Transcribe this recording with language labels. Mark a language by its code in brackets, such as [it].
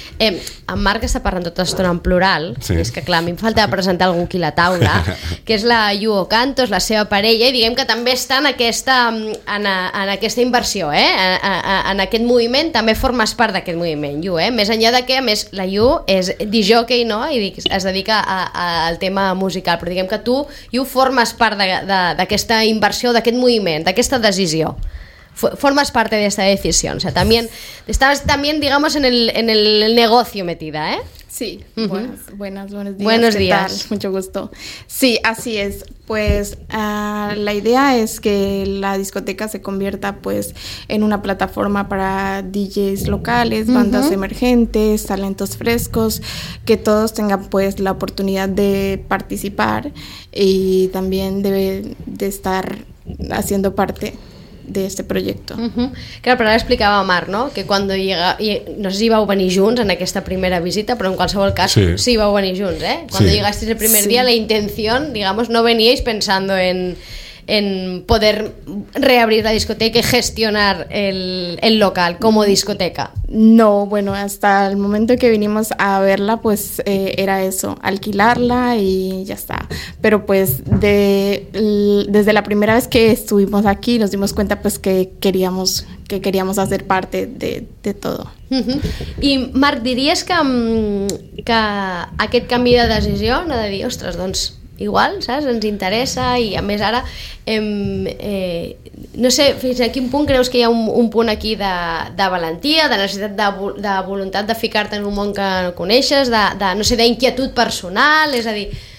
[ca] En Marc està parlant tota l'estona en plural, sí. És que clar, a mi em falta presentar algú aquí a la taula, que és la Yuo Cantos, la seva parella, i diguem que també està en aquesta inversió, eh? En aquest moviment, també formes part d'aquest moviment, Yuo, eh? Més enllà de que, a més, la Yuo és disjockey, no? I es dedica al tema musical, però diguem que tu, Yuo, formes part d'aquesta inversió, d'aquest moviment, d'aquesta decisió. [es] Formas parte de esta decisión, o sea, también estás también, digamos, en el negocio metida, ¿eh? Sí. Uh-huh. Buenos días. Buenos días. ¿Qué tal? Mucho gusto. Sí, así es. Pues la idea es que la discoteca se convierta, pues, en una plataforma para DJs locales, bandas uh-huh. emergentes, talentos frescos, que todos tengan, pues, la oportunidad de participar y también de estar haciendo parte de este proyecto. Uh-huh. [ca] Clar, però ara explicava a Marc, no? Que quan llega, no sé si vau venir junts en aquesta primera visita, però en qualsevol cas sí vau venir junts, eh? Quan sí. [es] llegasteis el primer sí. [ca] dia, la intenció, [es] digamos, no veníeis pensando en poder reabrir la discoteca y gestionar el local como discoteca. No, bueno, hasta el momento que vinimos a verla, pues era eso, alquilarla y ya está. Pero pues desde la primera vez que estuvimos aquí nos dimos cuenta, pues, que queríamos hacer parte de todo. Uh-huh. [ca] I Marc, diries que aquest canvi de decisió no ha de dir, ostres, doncs igual, saps? Ens interessa i a més ara no sé fins a quin punt creus que hi ha un punt aquí de valentia, de necessitat de voluntat de ficar-te en un món que no coneixes, de no sé, d'inquietud personal, és a dir...